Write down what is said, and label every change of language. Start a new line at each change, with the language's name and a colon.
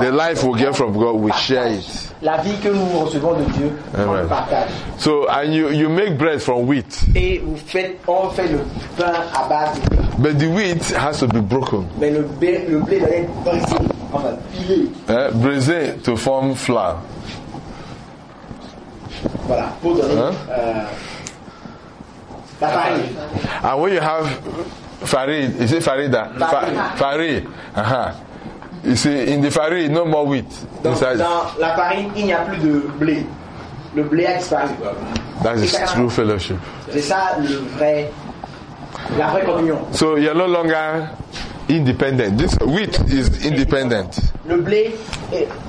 English: The life we get from God, we share it.
French: La vie que nous recevons de Dieu, on partage.
English: So and you make bread from wheat.
French: Et vous faites, on fait le pain à base de blé.
English: But the wheat has to be broken.
French: Mais le blé doit être brisé. Brisé
English: to form flour.
French: Voilà, pour donner la farine.
English: And when you have farine, is it farida?
French: Farine.
English: You see, in the farine, no more wheat.
French: Donc, dans la farine, il n'y a plus de blé. Le blé a disparu.
English: That is true fellowship.
French: C'est ça le vrai, la vraie communion.
English: So you're no longer independent. This wheat is independent.
French: Le blé est